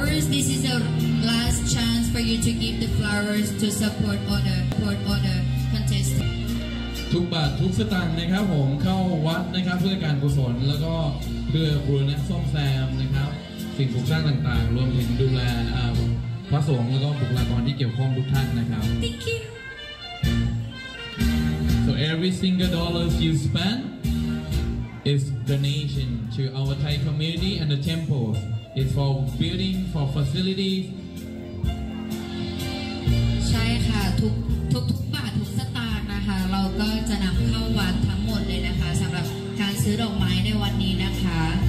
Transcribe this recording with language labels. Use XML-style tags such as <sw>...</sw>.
<en>This is the last chance for you to give the flowers to support other contestants.</en> <th>ทุกบาททุกสตางค์นะครับผมเข้าวัดนะครับเพื่อการกุศลแล้วก็เพื่อบูรณะซ่อมแซมนะครับสิ่งปลูกสร้างต่างๆรวมถึงดูแลพระสงฆ์แล้วก็บุคลากรที่เกี่ยวข้องทุกท่านนะครับ</th> <en>Thank you. So every single dollar you spend is donation to our Thai community and the temples. It's for building, for facilities.</en> <th>ใช่ค่ะทุกบาททุกสตางค์นะคะเราก็จะนำเข้าวัดทั้งหมดเลยนะคะสำหรับการซื้อดอกไม้ในวันนี้นะคะ</th>